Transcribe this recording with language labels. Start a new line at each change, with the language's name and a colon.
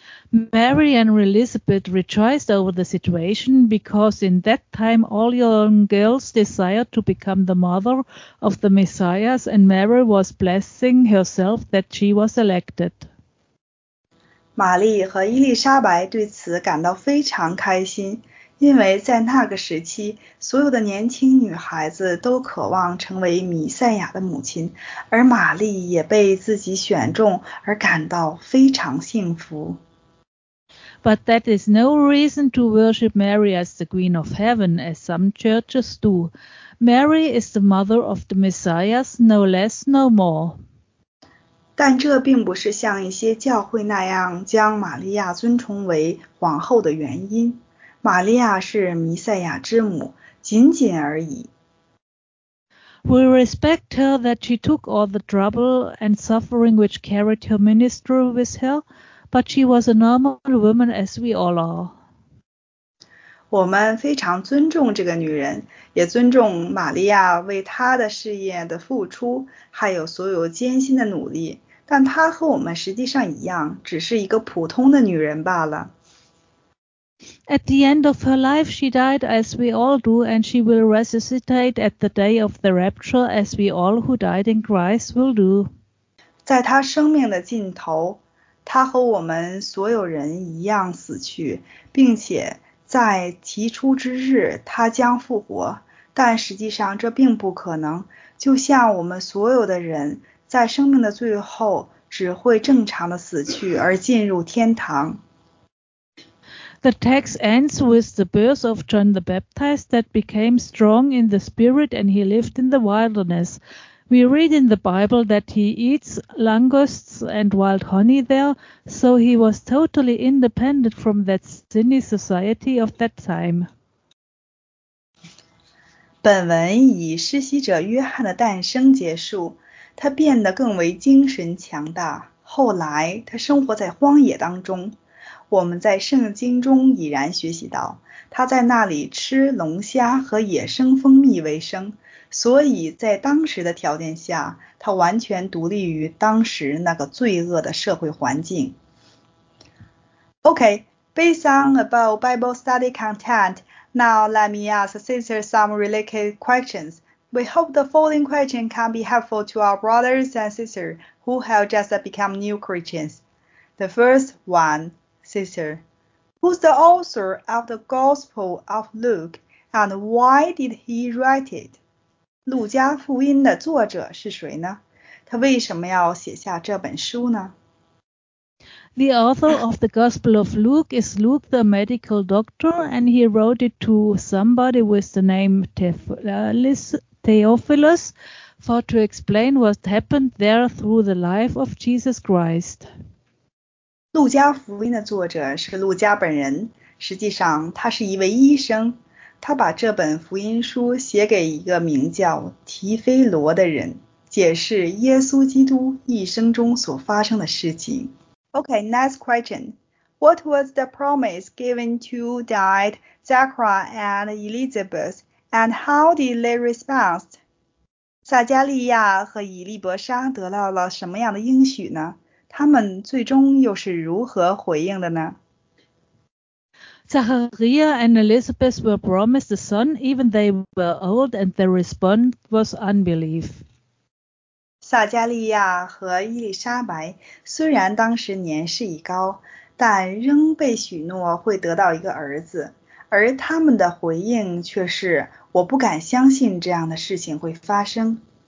English: Mary and Elizabeth rejoiced over the situation because in that time all young girls desired to become the mother of the Messiah, and Mary was blessing herself that she was elected.
Chinese: 玛丽和伊丽莎白对此感到非常开心，因为在那个时期，所有的年轻女孩子都渴望成为弥赛亚的母亲，而玛丽也被自己选中而感到非常幸福。
English: But that is no reason to worship Mary as the Queen of Heaven, as some churches do. Mary is the mother of the Messiah, no less, no more.
Chinese: 但这并不是像一些教会那样将玛利亚尊崇为皇后的原因。玛利亚是弥赛亚之母，仅仅而已。
English: We respect her that she took all the trouble and suffering which carried her ministry with her, but she was a normal woman as we all are.
Chinese: 我们非常尊重这个女人，也尊重玛利亚为她的事业的付出，还有所有艰辛的努力，但她和我们实际上一样，只是一个普通的女人罢了。
English: At the end of her life, she died as we all do, and she will resuscitate at the day of the rapture as we all who died in Christ will do.
Chinese: 在她生命的尽头，她和我们所有人一样死去，并且在提出之日她将复活，但实际上这并不可能，就像我们所有的人在生命的最后只会正常的死去而进入天堂。
English: The text ends with the birth of John the Baptist that became strong in the spirit and he lived in the wilderness. We read in the Bible that he eats langusts and wild honey there, so he was totally independent from that sinny society of that time.
Chinese: 本文以施洗者约翰的诞生结束，他变得更为精神强大。后来，他生活在荒野当中。我们在圣经中已然学习到，他在那里吃龙虾和野生蜂蜜为生，所以在当时的条件下，他完全独立于当时那个罪恶的社会环境。
English: Okay, based on about Bible study content, now let me ask sister some related questions. We hope the following question can be helpful to our brothers and sisters who have just become new Christians. The first one. Sister, who's the author of the Gospel of Luke and why did he write it?
Chinese: 路加福音的作者是谁呢？他为什么要写下这本书呢？
English: The author of the Gospel of Luke is Luke the medical doctor and he wrote it to somebody with the name Theophilus for to explain what happened there through the life of Jesus Christ.
Chinese: 路加福音的作者是路加本人，实际上他是一位医生，他把这本福音书写给一个名叫提菲罗的人，解释耶稣基督一生中所发生的事情。
English: Okay, next question. What was the promise given to died Zechariah and Elizabeth and how did they respond?
Chinese: 撒加利亚和以利伯莎得到了什么样的应许呢？他们最终又是如何回应的呢？
English: Zachariah and Elizabeth were promised a son, even they were old, and their response was unbelief.
Chinese: 撒加利亚和伊丽莎白虽然当时年事已高，但仍被许诺会得到一个儿子，而他们的回应却是：我不敢相信这样的事情会发生。